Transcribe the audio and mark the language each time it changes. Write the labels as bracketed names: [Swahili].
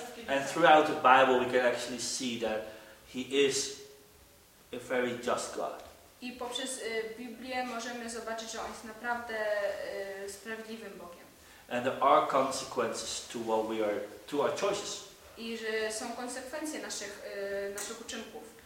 [English] And throughout the Bible we can actually see that He is a very just God. [Polish] I poprzez Biblię możemy zobaczyć, że on jest naprawdę sprawiedliwym Bogiem. [English] And there are consequences to what we are, to our choices. [Polish] I że są konsekwencje naszych naszych uczynków.